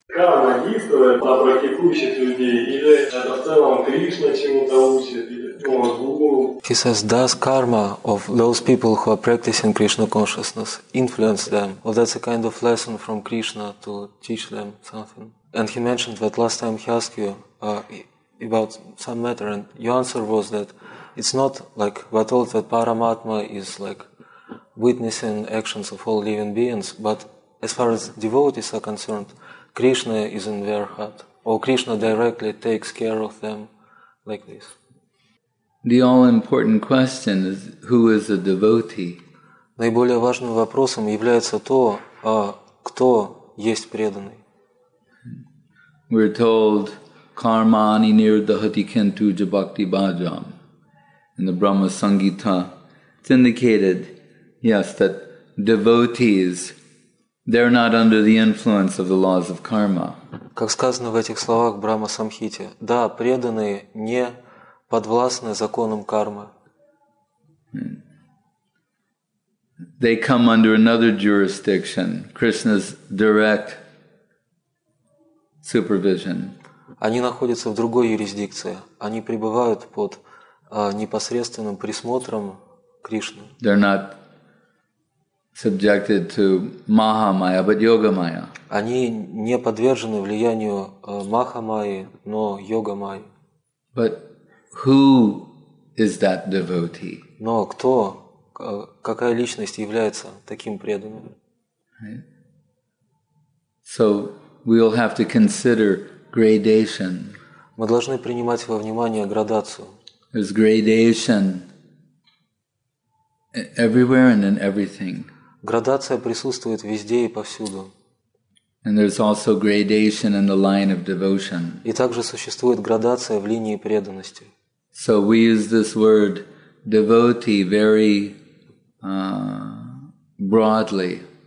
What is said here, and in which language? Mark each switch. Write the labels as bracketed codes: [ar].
[ru] Карма есть для практикующих людей, или это в целом Кришна чему-то учит, или [en] He says, does karma of those people who are practicing Krishna consciousness influence them? Or that's a kind of lesson from Krishna to teach them something? And he mentioned that last time he asked you about some matter, and your answer was that it's not like we're told that Paramatma is like witnessing actions of all living beings, but as far as devotees are concerned, Krishna is in their heart, or Krishna directly takes care of them like this. The all-important question is, who is a devotee? [ru] Наиболее важным вопросом является то, кто есть преданный. [en] We're told, [sa] karmani nirdhati kentu jabhakti bhajam. [en] In the Brahma Sangita, it's indicated, yes, that devotees, they're not under the influence of the laws of karma. [ru] Как сказано в этих словах Брахма Самхите, да, преданные не подвластны законам кармы. [en] They come under another jurisdiction, Krishna's direct supervision. [ru] Они находятся в другой юрисдикции. Они пребывают под непосредственным присмотром Кришны. [en] They're not subjected to Mahamaya, but Yogamaya. [ru] Они не подвержены влиянию Махамайи, но Йогамайи. [en] But who is that devotee? [ru] Но кто, какая личность является таким преданным? [en] So we'll have to consider gradation. [ru] Мы должны принимать во внимание градацию. [en] There's gradation everywhere and in everything. [ru] Градация присутствует везде и повсюду. [en] And there's also gradation in the line of devotion. [ru] И также существует градация в линии преданности. [en] So we use this word devotee very broadly.